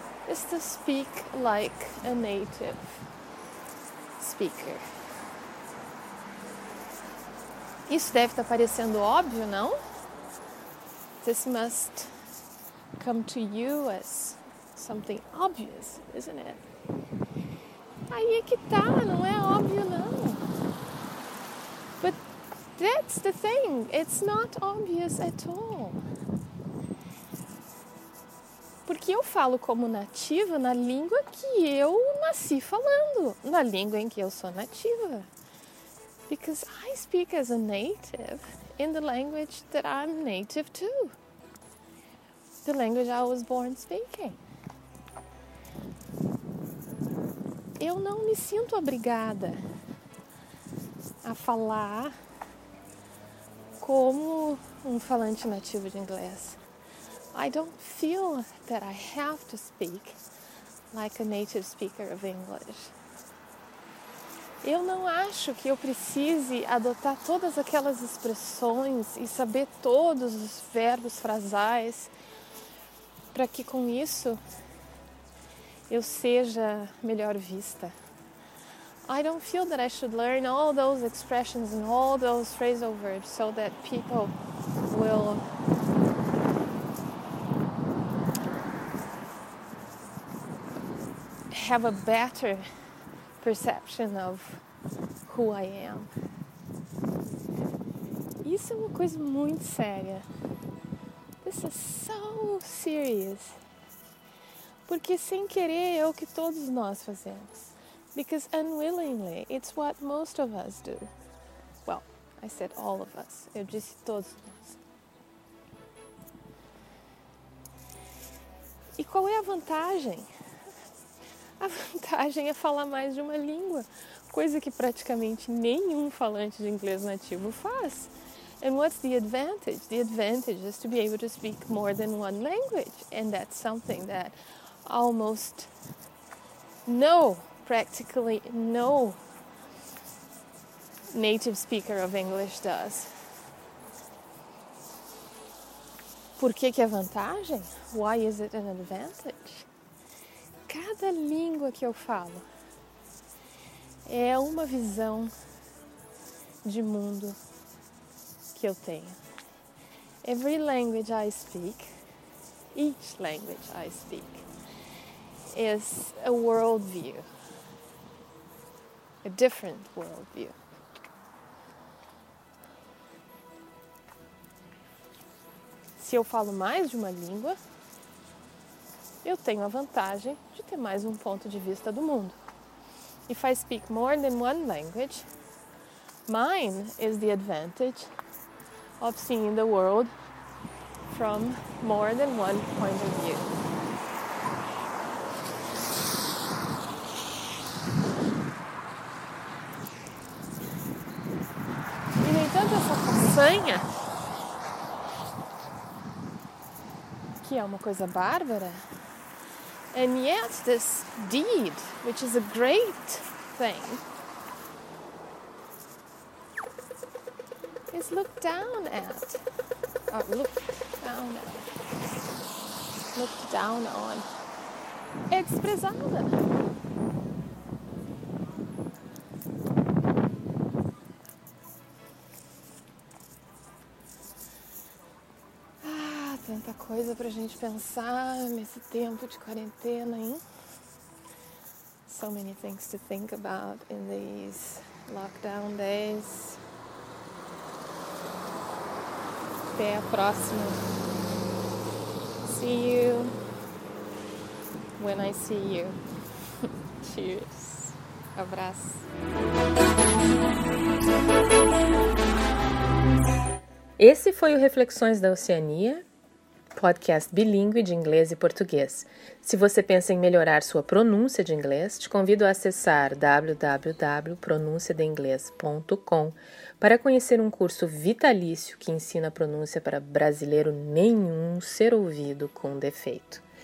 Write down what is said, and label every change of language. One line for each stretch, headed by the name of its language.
English: Is to speak like a native speaker.
Portuguese: Isso deve estar parecendo óbvio, não?
English: This must come to you as something obvious, isn't it?
Portuguese: Aí é que tá, não é óbvio, não.
English: But that's the thing, it's not obvious at all.
Portuguese: Porque eu falo como nativa na língua que eu nasci falando, na língua em que eu sou nativa.
English: Because I speak as a native in the language that I'm native to. The language I was born speaking.
Portuguese: Eu não me sinto obrigada a falar como um falante nativo de inglês.
English: I don't feel that I have to speak like a native speaker of English.
Portuguese: Eu não acho que eu precise adotar todas aquelas expressões e saber todos os verbos frasais para que com isso eu seja melhor vista.
English: I don't feel that I should learn all those expressions and all those phrasal verbs so that people will have a better perception of who I am.
Portuguese: Isso é uma coisa muito séria.
English: This is so serious.
Portuguese: Porque sem querer é o que todos nós fazemos.
English: Because unwillingly, it's what most of us do. Well, I said all of us.
Portuguese: Eu disse todos nós. E qual é a vantagem? A vantagem é falar mais de uma língua, coisa que praticamente nenhum falante de inglês nativo faz.
English: And what's the advantage? The advantage is to be able to speak more than one language. And that's something that almost no, practically no native speaker of English does.
Portuguese: Por que que é vantagem?
English: Why is it an advantage?
Portuguese: Cada língua que eu falo é uma visão de mundo que eu tenho.
English: Every language I speak, each language I speak, is a worldview, a different worldview.
Portuguese: Se eu falo mais de uma língua, eu tenho a vantagem de ter mais um ponto de vista do mundo.
English: If I speak more than one language, mine is the advantage of seeing the world from more than one point of view.
Portuguese: E nem tanto essa façanha, que é uma coisa bárbara.
English: And yet this deed, which is a great thing, is looked down on,
Portuguese: é desprezada. Tanta coisa pra gente pensar nesse tempo de quarentena, hein?
English: So many things to think about in these lockdown days.
Portuguese: Até a próxima.
English: See you when I see you. Cheers.
Portuguese: Abraço. Esse foi o Reflexões da Oceania, podcast bilíngue de inglês e português. Se você pensa em melhorar sua pronúncia de inglês, te convido a acessar www.pronunciadeinglês.com para conhecer um curso vitalício que ensina a pronúncia para brasileiro nenhum ser ouvido com defeito.